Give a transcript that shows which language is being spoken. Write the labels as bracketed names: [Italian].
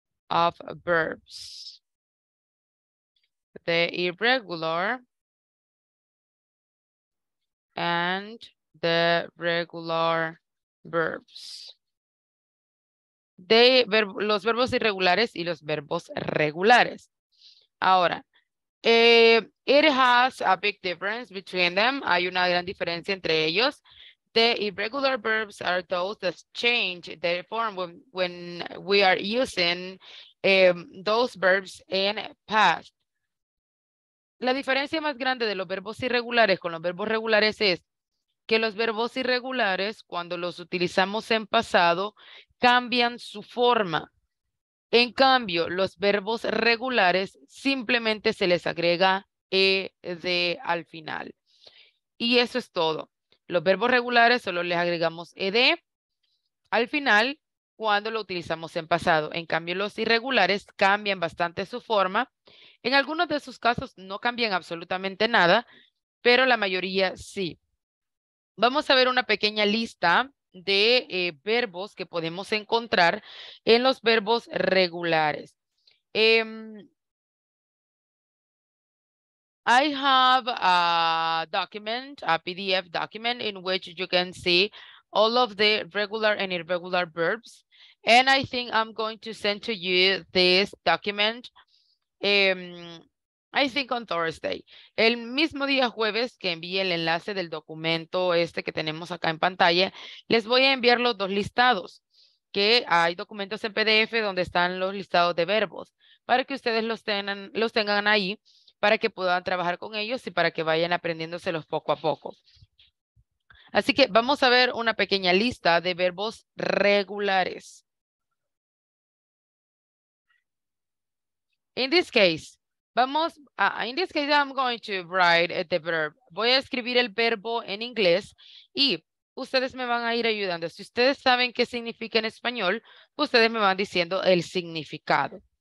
[English] Of verbs, the irregular and the regular verbs. [Spanish] De los verbos irregulares y los verbos regulares. [English] Ahora, it has a big difference between them. [Spanish] Hay una gran diferencia entre ellos. [English] The irregular verbs are those that change their form when we are using those verbs in past. [Spanish] La diferencia más grande de los verbos irregulares con los verbos regulares es que los verbos irregulares, cuando los utilizamos en pasado, cambian su forma. En cambio, los verbos regulares simplemente se les agrega ed al final. Y eso es todo. Los verbos regulares solo les agregamos ed al final cuando lo utilizamos en pasado. En cambio, los irregulares cambian bastante su forma. En algunos de sus casos no cambian absolutamente nada, pero la mayoría sí. Vamos a ver una pequeña lista de verbos que podemos encontrar en los verbos regulares. [English] I have a document, a PDF document, in which you can see all of the regular and irregular verbs. And I think I'm going to send to you this document, I think on Thursday. [Spanish] El mismo día jueves que envíe el enlace del documento este que tenemos acá en pantalla, les voy a enviar los dos listados, que hay documentos en PDF donde están los listados de verbos, para que ustedes los tengan ahí, para que puedan trabajar con ellos y para que vayan aprendiéndoselos poco a poco. Así que vamos a ver una pequeña lista de verbos regulares. [English] In this case, I'm going to write the verb. [Spanish] Voy a escribir el verbo en inglés y ustedes me van a ir ayudando. Si ustedes saben qué significa en español, ustedes me van diciendo el significado.